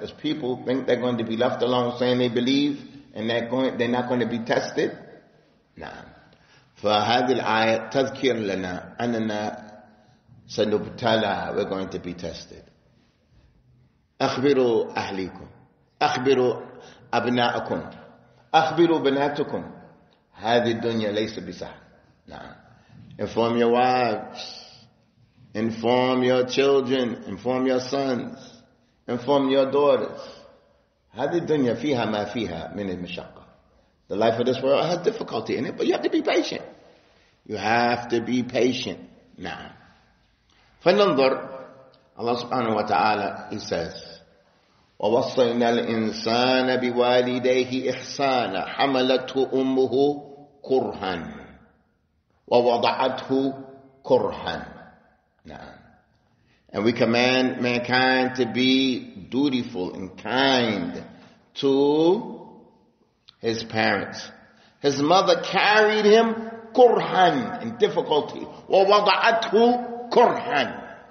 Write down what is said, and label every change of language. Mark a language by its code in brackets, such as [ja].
[en] As people think they're going to be left alone saying they believe and they're not going to be tested. [ar] نعم. فهذه الآية تذكر لنا أننا سنبتلى. [en] We're going to be tested. [ar] أخبروا أهليكم. أخبروا أبناءكم. أخبروا بناتكم. هذه الدنيا ليس بسهل. نعم. [en] Inform your wives. Inform your children, inform your sons, inform your daughters. [ar] هذه الدنيا فيها ما فيها من المشقة. [en] The life of this world has difficulty in it, but you have to be patient. You have to be patient. [ar] نعم. فننظر. Allah سبحانه وتعالى, [en] He says, [ar] ووصينا الإنسان بوالديه إحسانا حملته أمه كرها ووضعته كرها. نعم. [en] And we command mankind to be dutiful and kind to his parents. His mother carried him kurhan in difficulty. [ar] وَوَضَعَتْهُ كُرْحًا.